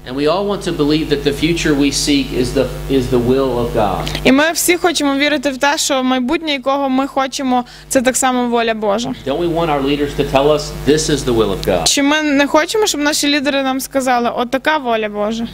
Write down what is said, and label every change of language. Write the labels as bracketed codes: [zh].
[en] And we all want to believe that the future we seek is the will of God. [uk] І ми всі хочемо вірити в те, що майбутнє, якого ми хочемо, це так само воля Божа. [en] Don't we want our leaders to tell us this is the will of God? [uk] Чи ми не хочемо, щоб наші лідери нам сказали: "От така воля Божа"?